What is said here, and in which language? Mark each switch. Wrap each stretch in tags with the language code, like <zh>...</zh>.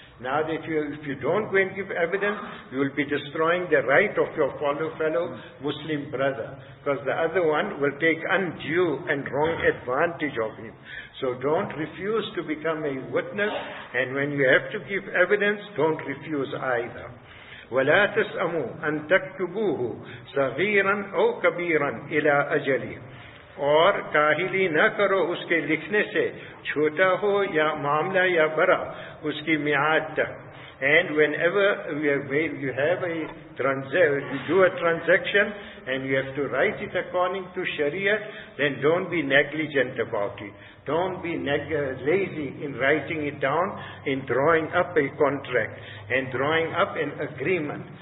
<en>Now that if you don't go and give evidence, you will be destroying the right of your fellow Muslim brother. Because the other one will take undue and wrong advantage of him. So don't refuse to become a witness. And when you have to give evidence, don't refuse either.</en> <ar>وَلَا تَسْأَمُوا أَن تَكْتُبُوهُ صَغِيرًا أَوْ كَبِيرًا إِلَىٰ أَجَلِهِ.</ar> <ur>اور کاہلی نہ کرو اس کے لکھنے سے چھوٹا ہو یا معاملہ یا بڑا اس کی میعاد تک.</ur> <en>And whenever you do a transaction and you have to write it according to Sharia, then don't be negligent about it. Don't be lazy in writing it down, in drawing up a contract and drawing up an agreement.</en>